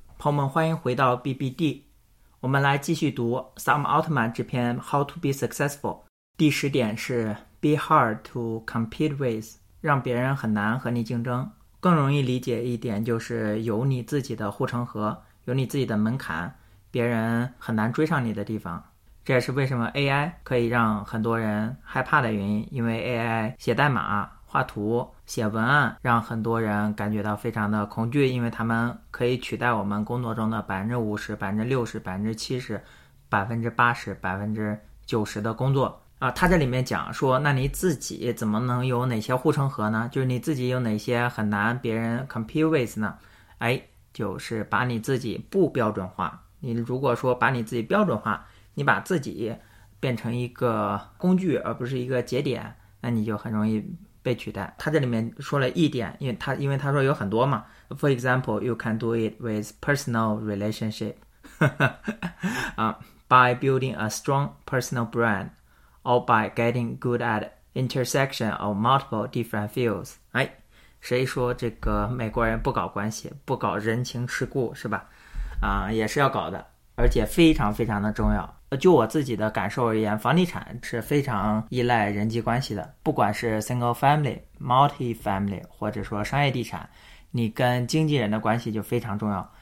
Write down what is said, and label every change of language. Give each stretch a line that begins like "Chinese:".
Chinese: 朋友们，欢迎回到 BBD。我们来继续读 Sam Altman 这篇 How to be successful。第十点是
English: Be hard to compete with，
Chinese: 让别人很难和你竞争。更容易理解一点就是有你自己的护城河，有你自己的门槛，别人很难追上你的地方。这也是为什么 AI 可以让很多人害怕的原因，因为 AI 写代码、画图、写文案让很多人感觉到非常的恐惧，因为他们可以取代我们工作中的 50%、60%、70%、80%、90%的工作啊。他这里面讲说，那你自己怎么能有哪些护城河呢？就是你自己有哪些很难别人
English: compete with
Chinese: 呢？哎，就是把你自己不标准化。你如果说把你自己标准化，你把自己变成一个工具而不是一个节点，那你就很容易被取代。他这里面说了一点，因为他说有很多嘛。
English: For example, you can do it with personal relationship. by building a strong personal brand, or by getting good at intersection of multiple different fields.
Chinese: 哎，谁说这个美国人不搞关系，不搞人情世故是吧？也是要搞的，而且非常非常的重要。就我自己的感受而言，房地产是非常依赖人际关系的，不管是 single family、 multi family 或者说商业地产，你跟经纪人的关系就非常重要。